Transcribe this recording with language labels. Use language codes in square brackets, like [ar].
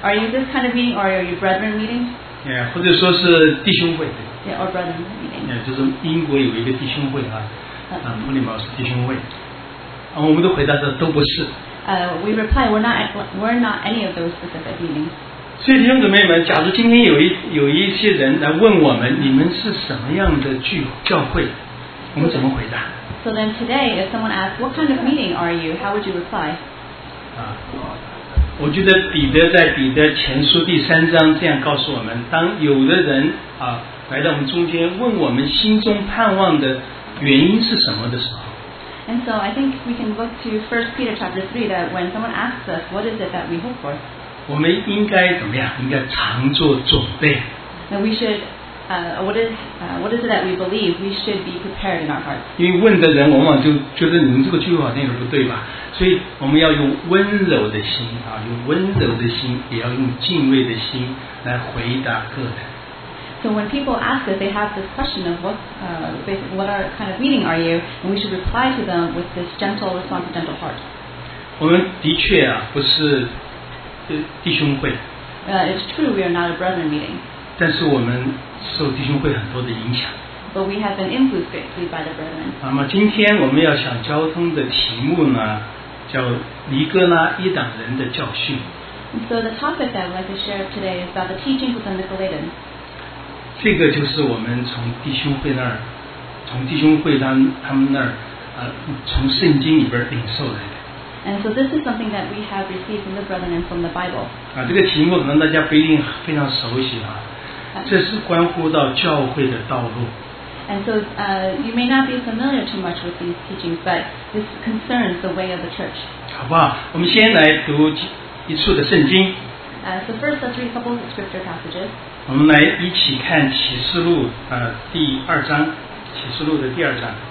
[en] are you this kind of meeting or are you brethren meeting? [zh] Yeah, 或者说是弟兄会。 [en] Yeah, or brethren meeting. [zh] Yeah, 就是英国有一个弟兄会啊，普利茅斯弟兄会。我们都回答说都不是。 [en] We reply, we're not any of those specific meetings. [zh] 所以弟兄姊妹们，假如今天有一些人来问我们，你们是什么样的教会，我们怎么回答 [en] ？So then today, if someone asks, "What kind of meeting are you?" How would you reply? [zh] 我觉得彼得在彼得前书第三章这样告诉我们：当有的人来到我们中间问我们心中盼望的原因是什么的时候 [en] ，And so I think we can look to 1 Peter chapter 3 that when someone asks us, "What is it that we hope for?" [zh] 我们应该怎么样？应该常做准备。 [en] Then we should, what is it that we believe? We should be prepared in our hearts. [zh] 因为问的人往往就觉得你们这个聚会好像有不对吧？所以我们要用温柔的心啊，用温柔的心，也要用敬畏的心来回答个人。 [en] So when people ask us, they have this question of what are kind of meeting are you? And we should reply to them with this gentle response, gentle heart. [zh] 我们的确啊，不是。弟兄会 [en] It's true we are not a brethren meeting. [zh] 但是我们受弟兄会很多的影响。 [en] But we have been influenced greatly by the brethren. [zh] 那么今天我们要想交通的题目呢，叫尼哥拉一党人的教训。 [en] And so the topic that I'd like to share today is about the teachings of the Nicolaitans. [zh] 这个就是我们从弟兄会那儿，从弟兄会他们那儿，从圣经里边领受来的。 [en] And so this is something that we have received from the brethren and from the Bible. [zh] 这个题目可能大家不一定非常熟悉啊。这是关乎到教会的道路。 [en] And so you may not be familiar too much with these teachings, but this concerns the way of the church. [zh] 好不好？我们先来读一处的圣经。 [en] So first, let's read a couple of scripture passages. [zh] 我们来一起看启示录第二章，启示录的第二章。